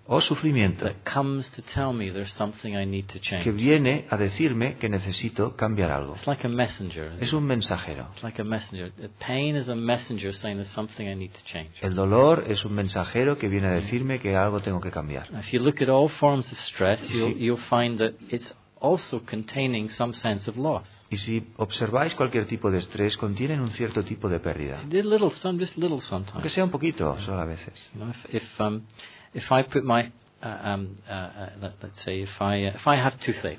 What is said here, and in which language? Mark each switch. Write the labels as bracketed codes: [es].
[es] o sufrimiento, [en] that comes to tell me there's something I need to change. [es] Que viene a decirme que necesito cambiar algo. [en] It's like a messenger, [es] es un mensajero. [en] It's like a messenger. The pain is a messenger saying there's something I need to change. [es] El dolor es un mensajero que viene a decirme que algo tengo que cambiar. [en] If you look at all forms of stress, you'll find that it's also containing some sense of loss. [es] Y si observáis cualquier tipo de estrés, contienen un cierto tipo de pérdida. [en] Just little sometimes. [es] Aunque sea un poquito, solo a veces. [en] You know, if I put my let's say if I have toothache.